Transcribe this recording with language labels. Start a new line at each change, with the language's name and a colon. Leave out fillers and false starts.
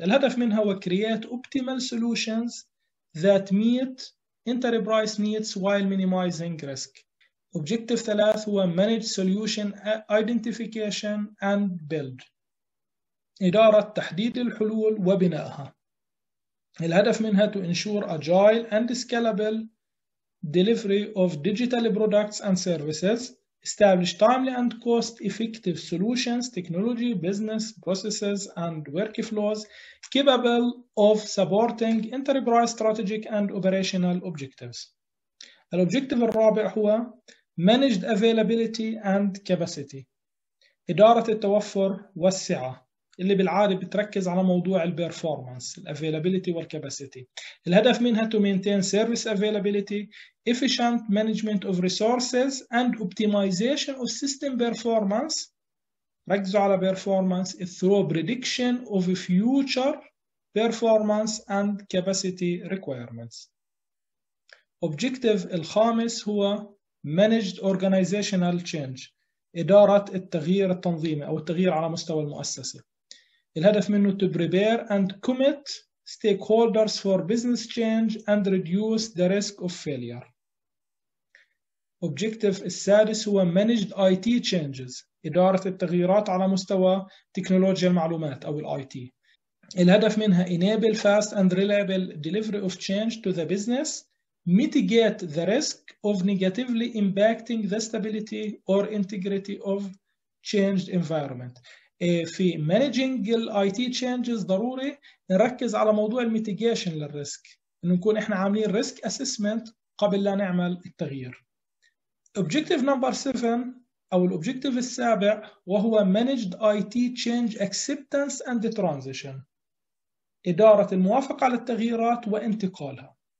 Arabic: الهدف منها هو
English: create optimal solutions that meet enterprise needs while minimizing risk. Objective 3 هو Manage Solution Identification and Build،
Arabic: إدارة تحديد الحلول وبنائها. الهدف منها
English: to ensure agile and scalable delivery of digital products and services, establish timely and cost-effective solutions, technology, business, processes and workflows capable of supporting enterprise strategic and operational objectives.
Arabic: الobjective الرابع هو
English: Managed Availability and Capacity،
Arabic: إدارة التوفر والسعة، اللي بالعادة بتركز على موضوع الـ Performance، الـ Availability والـ Capacity. الهدف منها
English: to maintain service availability, efficient management of resources and optimization of system performance،
Arabic: ركزوا على
English: performance through prediction of future performance and capacity requirements.
Arabic: Objective الخامس هو
English: Managed Organizational Change،
Arabic: إدارة التغيير التنظيمي أو التغيير على مستوى المؤسسة. الهدف منه
English: to prepare and commit stakeholders for business change and reduce the risk of failure.
Arabic: Objective السادس هو
English: Managed IT Changes،
Arabic: إدارة التغييرات على مستوى تكنولوجيا المعلومات أو IT. الهدف منها
English: enable fast and reliable delivery of change to the business, mitigate the risk of negatively impacting the stability or integrity of changed environment.
Arabic: في managing ال IT changes ضروري نركز على موضوع ال mitigation لل risk، إن نكون إحنا عاملين risk assessment قبل لا نعمل التغيير.
English: Objective number 7
Arabic: أو ال objective السابع وهو
English: managed IT change acceptance and transition،
Arabic: إدارة الموافقة على التغييرات وانتقالها.